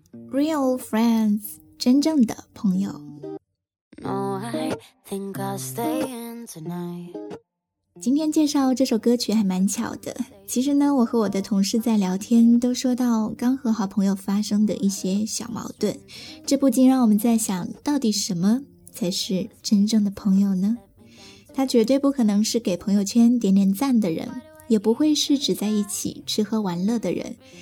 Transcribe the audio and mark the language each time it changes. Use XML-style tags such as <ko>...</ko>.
<en>real friends,</en> <zh>真正的朋友。</zh> <en>No, I think I'll stay in tonight.</en> <zh>今天介绍这首歌曲还蛮巧的。其实呢，我和我的同事在聊天，都说到刚和好朋友发生的一些小矛盾，这不禁让我们在想，到底什么才是真正的朋友呢？他绝对不可能是给朋友圈点点赞的人，也不会是只在一起吃喝玩乐的人。</zh>